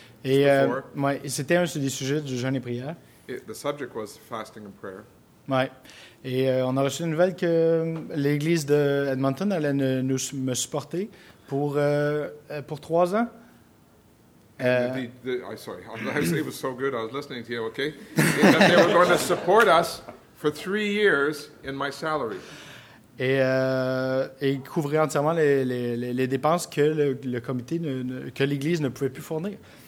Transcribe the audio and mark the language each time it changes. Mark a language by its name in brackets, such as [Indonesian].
[French] Et c'était un des sujets du jeûne et prière. [English] The subject was fasting and prayer. [French] Ouais. Et on a reçu la nouvelle que l'église de Edmonton allait me supporter pour 3 ans. [English] It was so good. I was listening to you. Okay. That they were going to support us for 3 years in my salary. [French] Et couvrir entièrement les dépenses que le comité que l'église ne pouvait plus fournir.